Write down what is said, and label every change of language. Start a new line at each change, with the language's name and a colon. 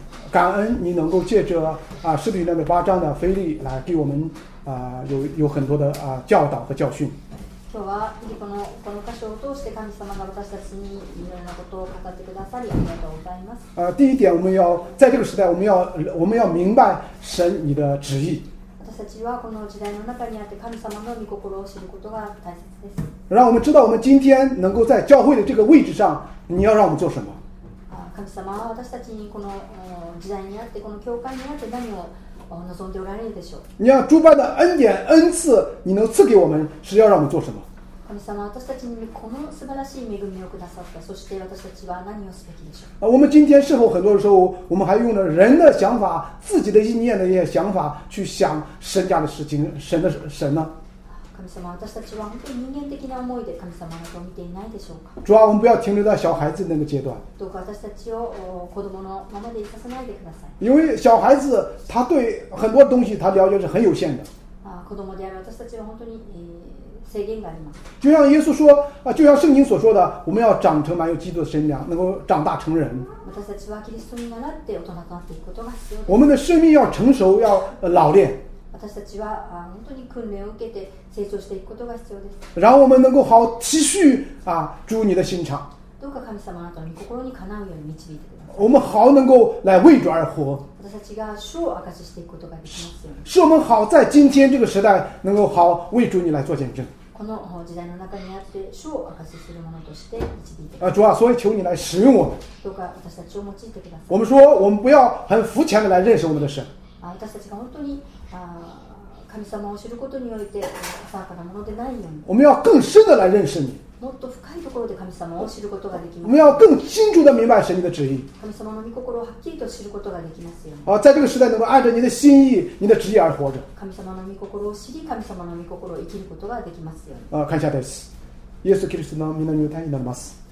Chinese: 感恩你能够借着使徒行传八章的腓力来给我们有很多的教导和教训。
Japanese: 今日はフィリポのこの箇所を通して神様が私たちにいろいろなことを語ってくださりありがとうございます。
Chinese: 第一点、我们要在这个时代我们要明白神你的旨意。
Japanese: 私たちはこの時代の中にあって神様の御心を知ることが大切です。
Chinese: 让我们知道我们今天能够在教会的这个位置上，你要让我们做什么？
Japanese: 神様は私たちにこの時代にあってこの教会にあって何を望んでおられるでしょう。
Chinese: 你要诸般的恩典恩赐，你能赐给我们，是要让我们做什么？
Japanese: 神様は私たちにこの素晴らしい恵みをくださった。そして私たちは何をすべきでしょう？
Chinese: 我们今天是否很多的时候，我们还用了人的想法、自己的意念的一些想法去想神家的事情、神的神呢？
Japanese: 神様、私たちは本当に人間的な思いで神様のことを見ていないでしょうか。
Chinese: 主啊、我们不要停留在小孩子那个阶段。
Japanese: どうか私たちを子供のままでいさせないでください。
Chinese: 因为小孩子他对很多东西他了解是很有限的。
Japanese: 子供である私たちは本当に制限があります。
Chinese: 就像耶稣说，就像圣经所说的，我们要长成满有基督的身量，能够长大成人。
Japanese: 私たちはキリストにならって大人となっていくことが必要。
Chinese: 我们的生命要成熟，要老练。
Japanese: 私たちは本当に訓練を受けて成長していくことが必要です。
Chinese: 然后我们能够好继续主你的心肠。
Japanese: どうか神様の御心にかなうように導いてください。
Chinese: 我们好能够来为主而活。
Japanese: 私たちが主を証ししていくことができますように。
Chinese: 是我们好在今天这个时代能够好为主你来做见证。
Japanese: この時代の中にあって主を証しするものとして導いてください。
Chinese: 主啊，所以求你来使用我们。
Japanese: どうか私たちを用いてください。
Chinese: 我们说，我们不要很肤浅的来认识我们的神。
Japanese: 私たちが本当に神様を知ることにおいて浅はかなものでないように。
Chinese: 我们要更深的来认识你。
Japanese: もっと深いところで神様を知ることができます。
Chinese: 我们要更清楚的明白神你的旨意。
Japanese: 神様の御心をはっきりと知ることができますように。
Chinese: 在这个时代能够按照你的心意、你的旨意而活着。
Japanese: 神様の御心を知り、神様の御心を生きることができますように。感謝です。イエス・キリストの御名によって祈ります。